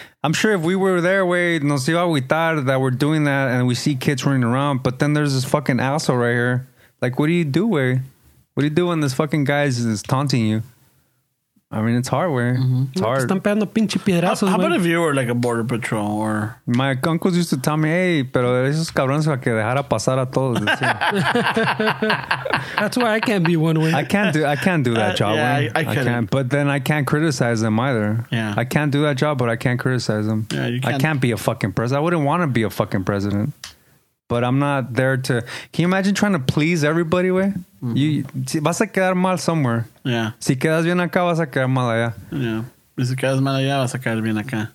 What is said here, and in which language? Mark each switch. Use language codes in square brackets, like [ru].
[en] I'm sure if we were there, wait, [es] nos iba a agüitar [en] that we're doing that and we see kids running around. But then there's this fucking asshole right here. Like, what do you do, Wade? What do you do when this fucking guy is taunting you? I mean, it's hard, Wade. Mm-hmm. It's hard. [es] Están pegando pinche piedrazos, [en] how about if you were like a border patrol or... My uncles used to tell me, [es] hey, pero esos cabrones para que dejara pasar a todos. [en] That's why I can't be one, Wade. I can't do that job, yeah, I can't. But then I can't criticize them either. Yeah. I can't do that job, but I can't criticize them. Yeah, you can't. I can't be a fucking president. I wouldn't want to be a fucking president. But I'm not there to... Can you imagine trying to please everybody, Wade? [es] Mm-hmm. You si, vas a quedar mal somewhere. [en] Yeah. [es] Si quedas bien acá, vas a quedar mal allá. [en] Yeah. [es] Si quedas mal allá, vas a quedar bien acá.